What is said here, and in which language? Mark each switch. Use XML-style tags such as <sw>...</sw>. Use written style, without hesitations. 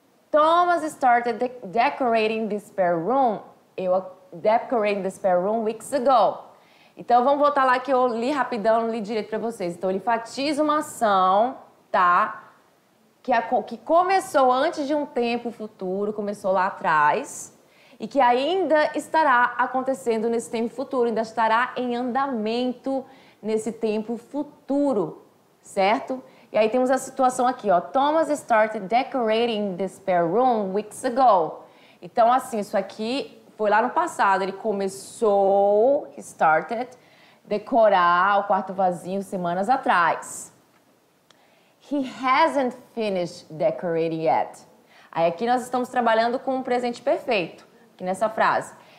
<en>Thomas started decorating the spare room weeks ago.</en> <pt>Então vamos voltar lá que eu li rapidão, não li direito para vocês. Então ele enfatiza uma ação, tá? Que começou antes de um tempo futuro, começou lá atrás e que ainda estará acontecendo nesse tempo futuro, ainda estará em andamento nesse tempo futuro. Certo? E aí temos a situação aqui, ó.</pt> <en>Thomas started decorating the spare room weeks ago.</en> <pt>Então, assim, isso aqui foi lá no passado. Ele começou,</pt> <en>he started,</en> <pt>decorar o quarto vazio semanas atrás.</pt> <en>He hasn't finished decorating yet.</en> <pt>Aí aqui nós estamos trabalhando com o presente perfeito, aqui nessa frase.</pt>